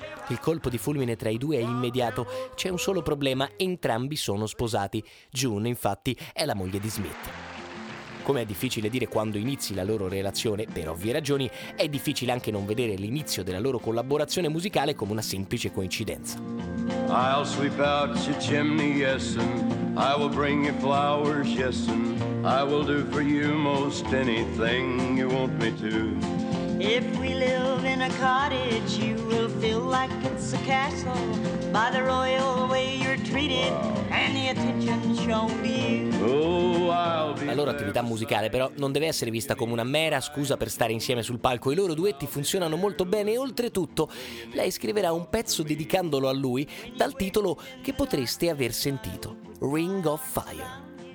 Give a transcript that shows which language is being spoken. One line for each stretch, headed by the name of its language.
Italian: Il colpo di fulmine tra i due è immediato. C'è un solo problema: entrambi sono sposati. June, infatti, è la moglie di Smith. Come è difficile dire quando inizi la loro relazione, per ovvie ragioni, è difficile anche non vedere l'inizio della loro collaborazione musicale come una semplice coincidenza.
English: I'll sweep out your chimney, yes, and I will bring you flowers, yes, and I will do for you most anything you want me to. If we live in a cottage, you will feel like it's a castle by the royal way you're treated. Wow. And the attention shown to you. Oh, I'll be.
Italian: La loro attività musicale però non deve essere vista come una mera scusa per stare insieme sul palco. I loro duetti funzionano molto bene e oltretutto lei scriverà un pezzo dedicandolo a lui dal titolo che potreste aver sentito, Ring of Fire.